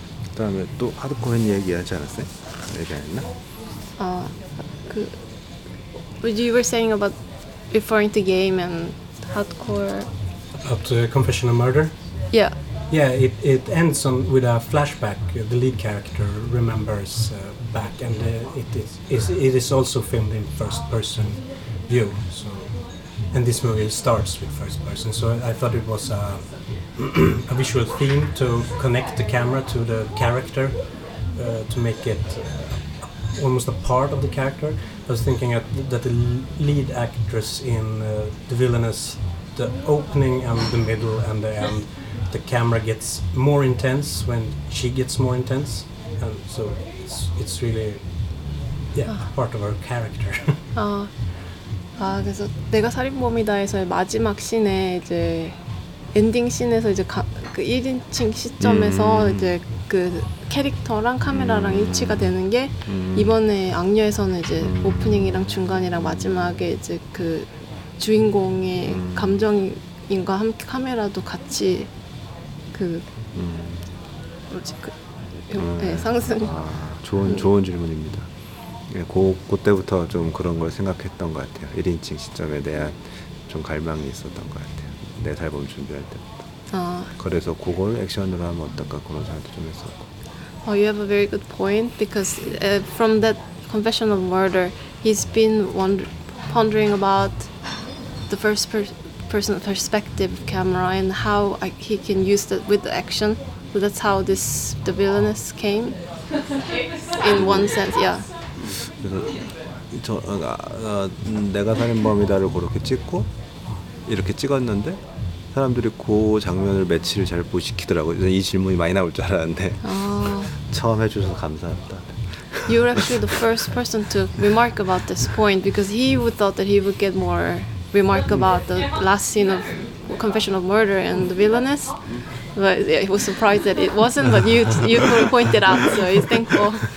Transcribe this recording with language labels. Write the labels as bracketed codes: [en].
[ko] 그다음에 또 하드코어 얘기하지 않았어요? 얘기했나? 아, 그 [en] what you were saying about referring to game and hardcore about the Confession of Murder? Yeah. Yeah, it ends on with a flashback. The lead character remembers back, and it is also filmed in first person view. So, and this movie starts with first person. So I thought it was a visual theme to connect the camera to the character, to make it almost a part of the character. I was thinking that the lead actress in The Villainous, the opening and the middle and the end, the camera gets more intense when she gets more intense. And so it's really, part of her character. [ko] 아, 그래서 내가 살인범이다에서의 마지막 씬에 이제 엔딩 씬에서 이제 그 1인칭 시점에서 이제 그 캐릭터랑 카메라랑 일치가 되는 게 이번에 악녀에서는 이제 오프닝이랑 중간이랑 마지막에 이제 그 주인공의 감정인과 함께 카메라도 같이 그 뭐지 그 네, 상승. 아, 좋은 질문입니다. 예, 그때부터 좀 그런 걸 생각했던 것 같아요. 1인칭 시점에 대한 좀 갈망이 있었던 것 같아요. 내 살범 준비할 때부터. 아. 그래서 그걸 액션으로 하면 어떨까 그런 생각도 좀 했었고. [en] Oh, you have a very good point because from that confession of murder, he's been pondering about the first person perspective camera and how he can use that with the action. So that's how this the villainous came in one sense, yeah. [ko] 그래서 내가 살인범이다를 그렇게 찍고 이렇게 찍었는데 사람들이 그 장면을 매치를 잘 못 시키더라고요. 이 질문이 많이 나올 줄 알았는데 처음 해주셔서 감사합니다. [en] You're actually the first person to remark about this point because he would thought that he would get more remark about the last scene of Confession of Murder and the Villainous. But yeah, he was surprised that it wasn't, but you pointed out, so he's thankful.